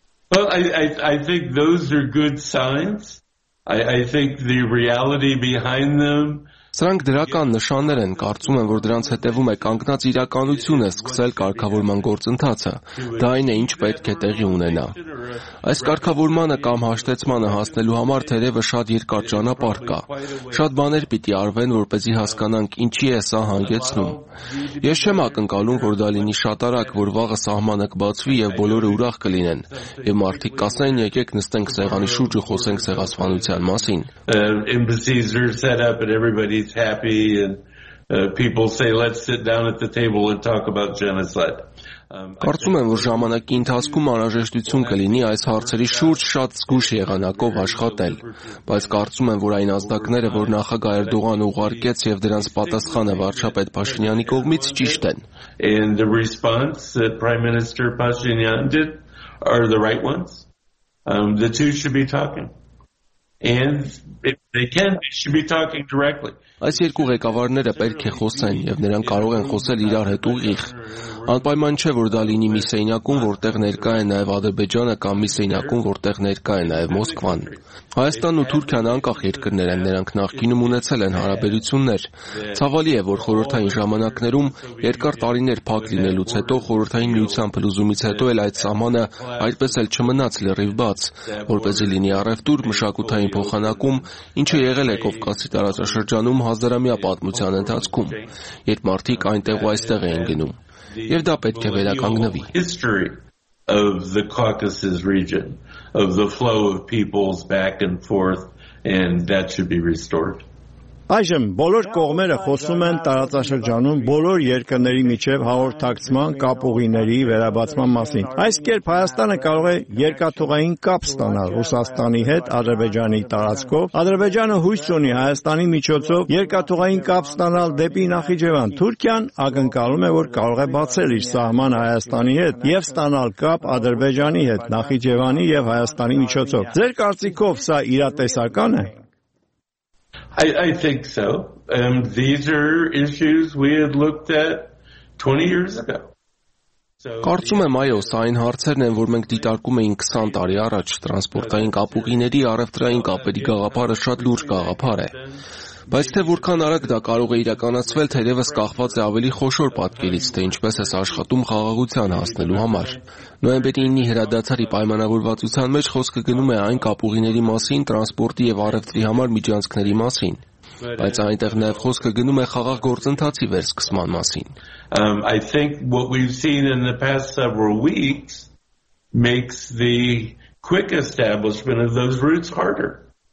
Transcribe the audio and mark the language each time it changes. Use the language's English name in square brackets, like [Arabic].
[English] Well, I think those are good signs. I think the reality behind them. [Armenian] Սրանք դրական նշաններ են, կարծում եմ, որ դրանց հետևում է կանգնած իրականությունը սկսել կարգավորման գործընթացը, դա այն է, ինչ պետք է տեղի ունենա։ Այս կարգավորմանը կամ հաշտեցմանը հասնելու համար թերևս շատ երկար ճանապարհ կա, շատ բաներ պիտի արվեն, որպեսզի հասկանանք, ինչի է սա հանգեցնում։ Ես չեմ ակնկալում, որ դա լինի շատ արագ, որ վաղը սահմանը կբացվի և բոլորը ուրախ կլինեն, և մարդիկ կասեն, եկեք նստենք սեղանի շուրջ ու խոսենք սեղասպանության մասին։ [English] He's happy and people say let's sit down at the table and talk about genocide. [Armenian] Կարծում եմ, որ ժամանակի ընթացքում անհրաժեշտություն կլինի այս հարցերի շուրջ շատ զգուշ եղանակով աշխատել, բայց կարծում եմ, որ այն ազդակները, որ նախագահ Էրդողանը ուղարկեց եւ դրանց պատասխանը վարչապետ Փաշինյանի կողմից ճիշտ են. [English] And the response that Prime Minister Pashinyan did are the right ones. The two should be talking. And if they can, they should be talking directly. [Armenian] Այս երկու ղեկավարները պետք է խոսեն, և նրանք կարող են խոսել իրար հետ ուղիղ։ Անպայման չէ, որ դա լինի մի սենյակում, որտեղ ներկա է նաև Ադրբեջանը, կամ մի սենյակում, որտեղ ներկա է նաև Մոսկվան։ Հայաստանն ու Թուրքիան անկախ երկրներ են, նրանք նախկինում ունեցել են հարաբերություններ։ Ցավալի է, որ խորհրդային ժամանակներում երկար տարիներ փակ լինելուց հետո, խորհրդային միության փլուզումից հետո էլ այդ սահմանը այդպես էլ չմնաց լրիվ բաց, որպեսզի լինի առևտուր, մշակութային փոխանակում, ինչը եղել է Կովկասի տարածաշրջանում հազարամյա պատմության ընթացքում, երբ մարդիկ այնտեղ ու այստեղ էին գնում։ Եվ դա պետք է վերականգնվի։ [English] History of the Caucasus region, of the flow of peoples back and forth, and that should be restored. [Armenian] Այժմ բոլոր կողմերը խոսում են տարածաշրջանում բոլոր երկրների միջև հաղորդակցման կապուղիների վերաբացման մասին։ Այս կերպ Հայաստանը կարող է երկաթուղային կապ ստանալ Ռուսաստանի հետ Ադրբեջանի տարածքով։ Ադրբեջանը հույս ունի Հայաստանի միջոցով երկաթուղային կապ ստանալ դեպի Նախիջևան։ Թուրքիան ակնկալում է, որ կարող է բացել իր սահմանը Հայաստանի հետ և ստանալ կապ Ադրբեջանի հետ Նախիջևանի և Հայաստանի միջոցով։ Ձեր կարծիքով սա իրատեսական է։ [English] I think so. These are issues we had looked at 20 years ago. [Armenian] Կարծում եմ, այո, սա այն հարցերն են, որ մենք դիտարկում էին 20 տարի առաջ, տրանսպորտային կապուղիների առևտրային կապերի գաղափարը շատ լուրջ գաղափար է։ Բայց թե որքան արագ դա կարող է իրականացվել, թերևս կախված է ավելի խոշոր պատկերից, թե ինչպես է աշխատում խաղաղության հասնելու համար։ Նոյեմբերի 9-ի հրադադարի պայմանավորվածության մեջ խոսքը գնում է այն կապուղիների մասին, տրանսպորտի և առևտրի համար միջանցքների մասին, Բայց այնտեղ նաև խոսքը գնում է խաղաղ գործընթացի վերսկսման մասին. [English] I think what we've seen in the past several weeks makes the quick establishment of those roots harder.